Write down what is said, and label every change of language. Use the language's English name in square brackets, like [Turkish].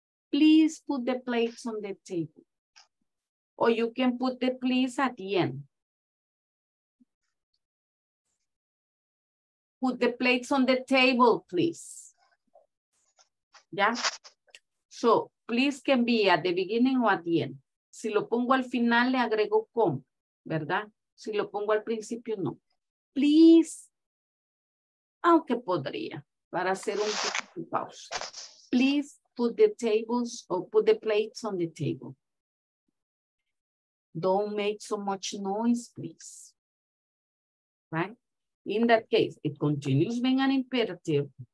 [English] Please put the plates on the table. Or you can put the please at the end. Put the plates on the table, please. Yeah? So, please can be at the beginning or at the end. [Spanish] Si lo pongo al final, le agrego con, ¿verdad? Si lo pongo al principio, no. Please. Aunque podría, para hacer un poco de pausa. [English] Please put the tables or put the plates on the table. Don't make so much noise, please. Right? In that case, it continues being an imperative.